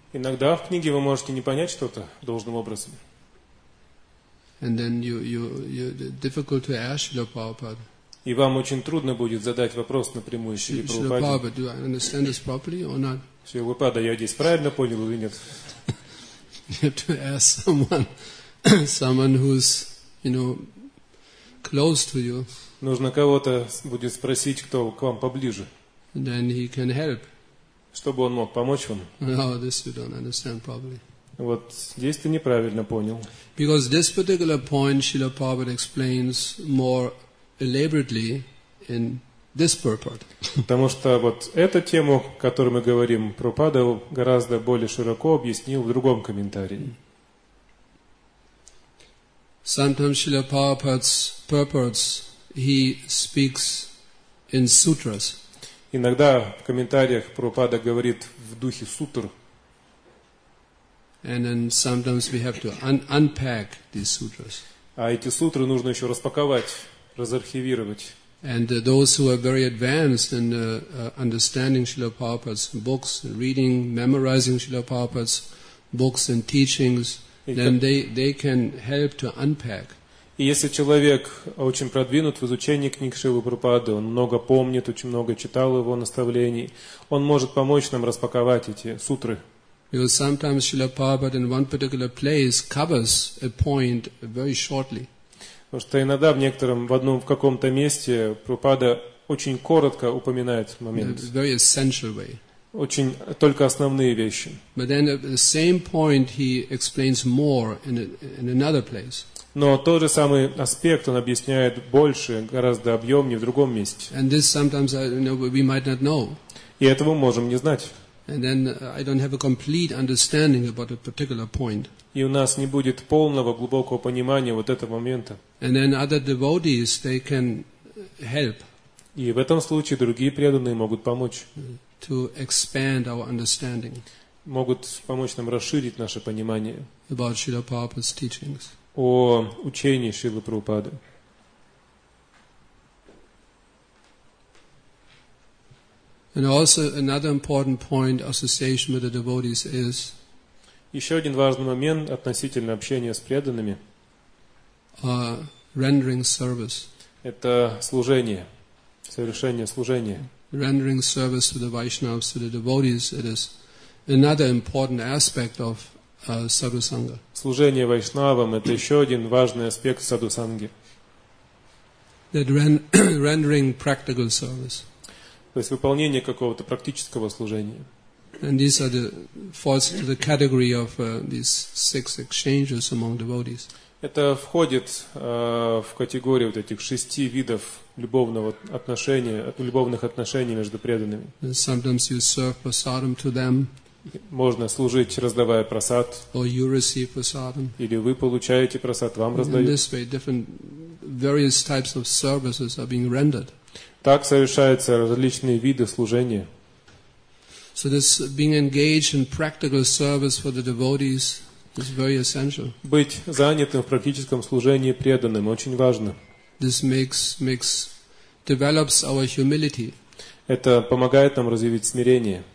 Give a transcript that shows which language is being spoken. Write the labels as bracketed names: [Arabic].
[Russian] Иногда в книге вы можете не понять что-то должным образом. [English] And then you difficult to ask Srila Prabhupada. [Russian] И вам очень трудно будет задать вопрос напрямую Шриле Прабхупаде. [English] Srila Prabhupada, do I understand this properly or not? [Russian] Srila Prabhupada, я здесь правильно понял или нет? [English] You have to ask someone who's, you know, close to you. [Russian] Нужно кого-то будет спросить, кто к вам поближе. [English] Then he can help. [Russian] Чтобы он мог помочь вам. [English] No, this you don't understand properly. [Russian] Вот здесь ты неправильно понял. [English] Because this particular point Srila Prabhupada explains more elaborately in this purport. [Russian] Потому что вот эту тему, о которой мы говорим, Прабхупада гораздо более широко объяснил в другом комментарии. [English] Sometimes Srila Prabhupada's purports he speaks in sutras. [Russian] Иногда в комментариях Прабхупада говорит в духе сутр. [English] And then sometimes we have to unpack these sutras. [Russian] А эти сутры нужно еще распаковать, разархивировать. [English] And those who are very advanced in understanding Srila Prabhupada's books, reading, memorizing Srila Prabhupada's books and teachings, then they can help to unpack. [Russian] И если человек очень продвинут в изучении книг Шрилы Прабхупады, он много помнит, очень много читал его наставлений, он может помочь нам распаковать эти сутры. [English] Because sometimes Srila Prabhupada in one particular place covers a point very shortly. [Russian] Потому что иногда в некотором, в одном, в каком-то месте Прабхупада очень коротко упоминает момент. [English] Very essential way. [Russian] Очень только основные вещи. [English] But then the same point he explains more in another place. [Russian] Но тот же самый аспект он объясняет больше, гораздо объемнее в другом месте. [English] And this sometimes you know, we might not know. [Russian] И этого можем не знать. [English] And then I don't have a complete understanding about a particular point. [Russian] И у нас не будет полного глубокого понимания вот этого момента. [English] And then other devotees they can help. [Russian] И в этом случае другие преданные могут помочь. [English] To expand our understanding. [Russian] Могут помочь нам расширить наше понимание. [English] About Srila Prabhupada's teachings. [Russian] О учении Шрилы Прабхупады. [English] And also another important point association with the devotees is. [Russian] Еще один важный момент относительно общения с преданными. [English] Rendering service. [Russian] Это служение, совершение служения. [English] Rendering service to the Vaishnavas, to the devotees, it is another important aspect of sadhusanga. [Russian] Служение вайшнавам это еще один важный аспект садхусанги. [English] That rendering practical service. [Russian] То есть выполнение какого-то практического служения. [English] And these are the falls to the category of these six exchanges among devotees. [Russian] Это входит в категорию вот этих шести видов любовного отношения, любовных отношений между преданными. [English] And sometimes you serve prasadam to them. [Russian] Можно служить, раздавая прасад. [English] Or you receive prasadam. [Russian] Или вы получаете прасад, вам раздают. [English] In this way, different various types of services are being rendered. [Russian] Так совершаются различные виды служения. [English] So this being engaged in practical service for the devotees is very essential. [Russian] Быть занятым в практическом служении преданным очень важно. [English] This makes develops our humility. [Russian] Это помогает нам развивать смирение.